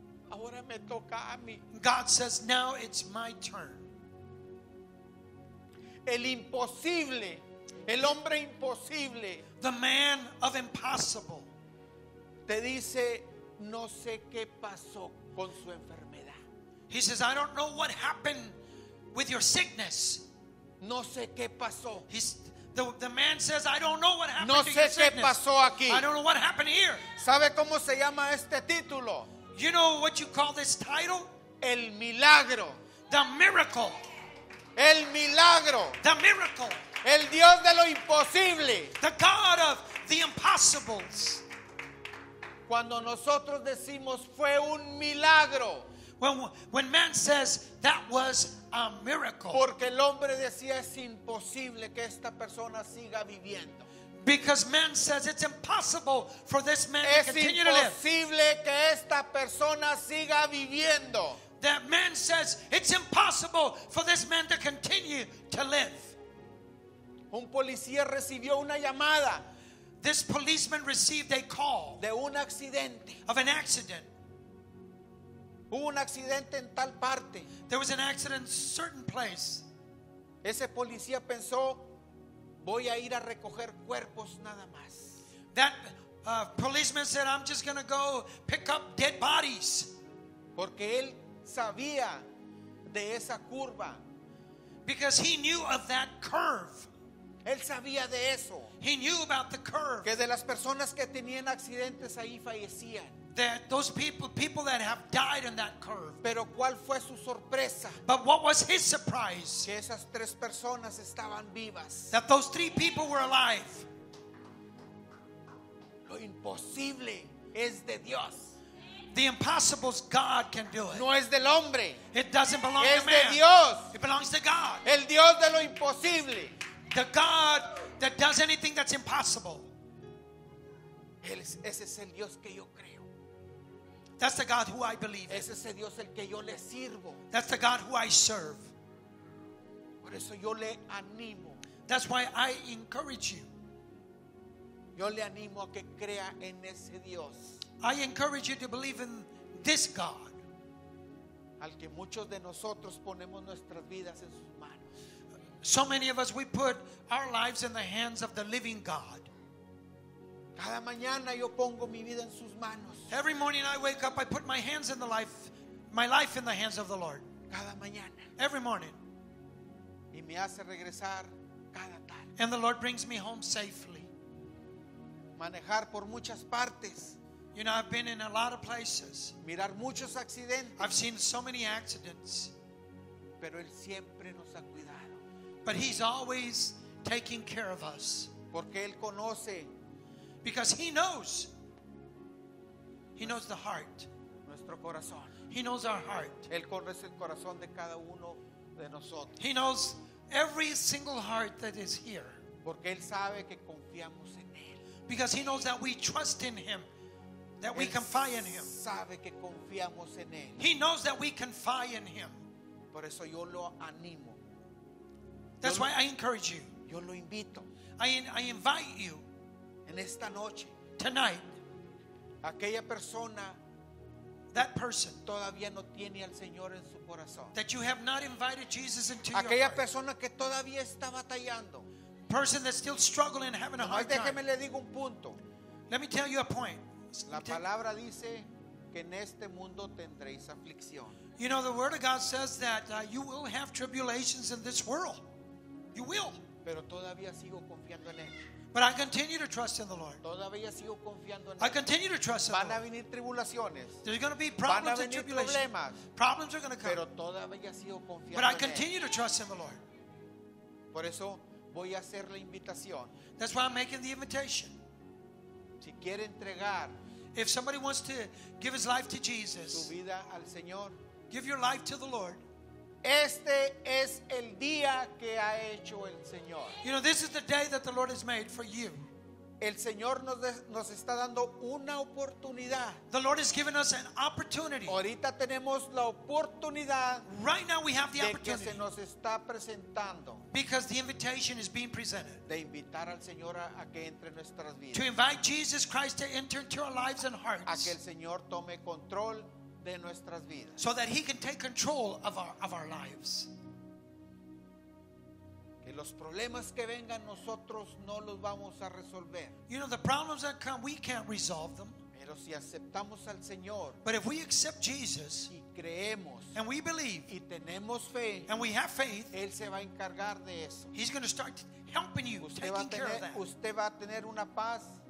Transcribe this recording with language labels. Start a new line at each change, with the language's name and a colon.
Spanish: Ahora me toca a mí.
English: God says, now it's my turn.
Spanish: El imposible. El hombre imposible.
English: The man of impossible.
Spanish: Te dice, no sé qué pasó con su enfermedad.
English: He says, I don't know what happened with your sickness.
Spanish: No sé qué pasó.
English: The man says, I don't know what happened
Spanish: no
English: to your sickness.
Spanish: No sé qué pasó aquí.
English: I don't know what happened here.
Spanish: ¿Sabe cómo se llama este título?
English: You know what you call this title?
Spanish: El milagro.
English: The miracle.
Spanish: El milagro.
English: The miracle.
Spanish: El Dios de lo imposible.
English: The God of the impossibles.
Spanish: Cuando nosotros decimos fue un milagro.
English: When man says that was a miracle.
Spanish: Porque el hombre decía es imposible que esta persona siga viviendo.
English: Because man says it's impossible for this man to continue to live.
Spanish: Es imposible que esta persona siga viviendo.
English: That man says it's impossible for this man to continue to live.
Spanish: Un policía recibió una llamada.
English: This policeman received a call.
Spanish: De un accidente.
English: Of an accident.
Spanish: Hubo un accidente en tal parte.
English: There was an accident in a certain place.
Spanish: Ese policía pensó, voy a ir a recoger cuerpos nada más.
English: That policeman said, I'm just going to go pick up dead bodies.
Spanish: Porque él sabía de esa curva.
English: Because he knew of that curve.
Spanish: Él sabía de eso.
English: He knew about the curve.
Spanish: Que de las personas que tenían accidentes ahí fallecían.
English: That those people that have died in that curve.
Spanish: Pero ¿cuál fue su sorpresa?
English: But what was his surprise?
Spanish: Que esas tres personas estaban vivas.
English: That those three people were alive.
Spanish: Lo imposible es de Dios.
English: The impossible, God can do it.
Spanish: No es del hombre.
English: It doesn't belong
Spanish: es
English: to man.
Spanish: Es de Dios.
English: It belongs to God.
Spanish: El Dios de lo imposible.
English: The God that does anything that's impossible.
Spanish: Ese es el Dios que yo creo.
English: That's the God who I believe in.
Spanish: Ese es el Dios el que yo le sirvo.
English: That's the God who I serve.
Spanish: Por eso yo le animo.
English: That's why I encourage you.
Spanish: Yo le animo a que crea en ese Dios.
English: I encourage you to believe in this God.
Spanish: Al que muchos de nosotros ponemos nuestras vidas en sus manos.
English: So many of us, we put our lives in the hands of the living God.
Spanish: Cada mañana yo pongo mi vida en sus manos.
English: Every morning I wake up, I put my hands in the life, my life in the hands of the Lord.
Spanish: Cada mañana.
English: Every morning.
Spanish: Y me hace regresar cada tarde.
English: And the Lord brings me home safely.
Spanish: Manejar por muchas partes.
English: You know, I've been in a lot of places.
Spanish: Mirar muchos accidentes.
English: I've seen so many accidents.
Spanish: Pero Él siempre nos ha cuidado.
English: But he's always taking care of us.
Spanish: Porque él conoce.
English: Because he knows. He knows the heart.
Spanish: nuestro corazón.
English: He knows our heart.
Spanish: Él conoce el corazón de cada uno de nosotros.
English: He knows every single heart that is here.
Spanish: Porque él sabe que confiamos en él.
English: Because he knows that we trust in him. That we confide in him.
Spanish: Sabe que confiamos en él.
English: He knows that we confide in him.
Spanish: Por eso yo lo animo.
English: That's why I encourage you.
Spanish: Yo lo invito.
English: I invite you.
Spanish: En esta noche.
English: Tonight.
Spanish: Aquella persona.
English: That person.
Spanish: Todavía no tiene al Señor en su corazón.
English: That you have not invited Jesus into
Spanish: aquella aquella persona que todavía está batallando.
English: Person that's still struggling and having a hard time.
Spanish: Déjeme le digo un punto.
English: Let me tell you a point.
Spanish: La palabra dice que en este mundo tendréis aflicción.
English: You know, the word of God says that you will have tribulations in this world. You will.
Spanish: Pero todavía sigo confiando en él.
English: But I continue to trust in the Lord.
Spanish: Todavía sigo confiando en él.
English: I continue to trust in the Lord.
Spanish: Van a venir tribulaciones.
English: There's going to be problems and tribulations.
Spanish: Van a venir problemas.
English: Problems are going to come.
Spanish: Pero todavía sigo confiando
English: But I continue to trust in the Lord.
Spanish: Por eso voy a hacer la invitación.
English: That's why I'm making the invitation.
Spanish: Si quiere entregar,
English: if somebody wants to give his life to Jesus,
Spanish: su vida al Señor,
English: give your life to the Lord.
Spanish: Este es el día que ha hecho el Señor.
English: You know, this is the day that the Lord has made for you.
Spanish: El Señor nos está dando una oportunidad.
English: The Lord has given us an opportunity.
Spanish: Ahorita tenemos la oportunidad.
English: Right now we have the
Spanish: de
English: opportunity.
Spanish: Que se nos está presentando.
English: Because the invitation is being presented.
Spanish: De invitar al Señor a que entre en nuestras vidas.
English: To invite Jesus Christ to enter into our lives and hearts.
Spanish: A que el Señor tome control de nuestras vidas.
English: So that he can take control of our lives.
Spanish: Y los problemas que vengan nosotros no los vamos a resolver.
English: You know, the problems that come, we can't resolve them.
Spanish: Pero si aceptamos al Señor,
English: but if we accept Jesus,
Spanish: y creemos,
English: and we believe,
Spanish: y tenemos fe,
English: and we have faith,
Spanish: él se va a encargar de eso.
English: He's going to start helping you,
Spanish: usted
English: taking
Spanish: tener,
English: care of that.
Spanish: Usted va a tener una paz,